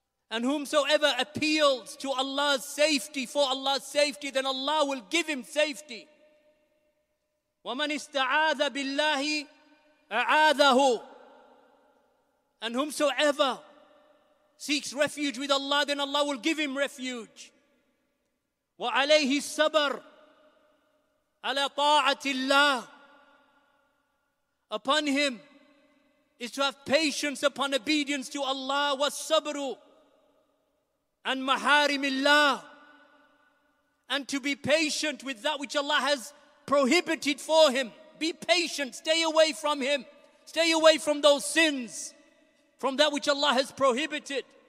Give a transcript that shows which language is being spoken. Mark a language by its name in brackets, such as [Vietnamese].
[English] And whomsoever appeals to Allah's safety, for Allah's safety, then Allah will give him safety. [Arabic] وَمَنِ اسْتَعَاذَ بِاللَّهِ أَعَاذَهُ. And whomsoever seeks refuge with Allah, then Allah will give him refuge. وَعَلَيْهِ الصَّبَرُ عَلَى طَاعَةِ اللَّهِ. [English] Upon him is to have patience upon obedience to Allah, wa sabru and maharimillah, and to be patient with that which Allah has prohibited for him. Be patient, stay away from him, stay away from those sins, from that which Allah has prohibited.